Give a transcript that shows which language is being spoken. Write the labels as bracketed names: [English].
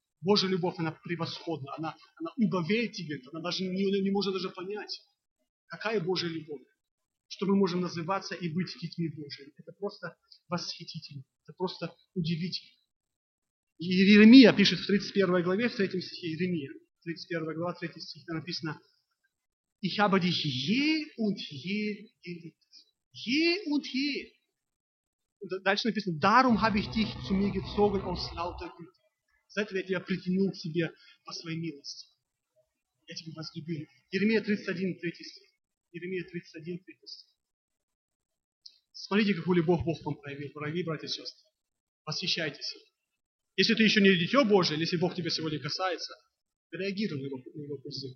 [Russian] Божья любовь, она превосходна, она убавляет тебе, она даже не может даже понять, какая Божья любовь, что мы можем называться и быть детьми Божьими. Это просто восхитительно. Это просто удивительно. Иеремия пишет в 31 главе, в 3 стихе, Иеремия, 31 глава, 3 стих, там написано, [German] «Ich habe dich je und je geliebt». Je und je. [Russian] Дальше написано, [German] «Darum habe ich dich zu mir gezogen aus lauter Güte». [Russian] За это я тебя притянул к себе по своей милости. Я тебя возлюбил. Иеремия 31, 3 стих. Иеремия 31, 3 стих. Смотрите, какую любовь Бог вам проявил. Прояви, братья и сестры. Восхищайтесь. Если ты еще не дитё Божие, если Бог тебя сегодня касается, реагируй на его призыв.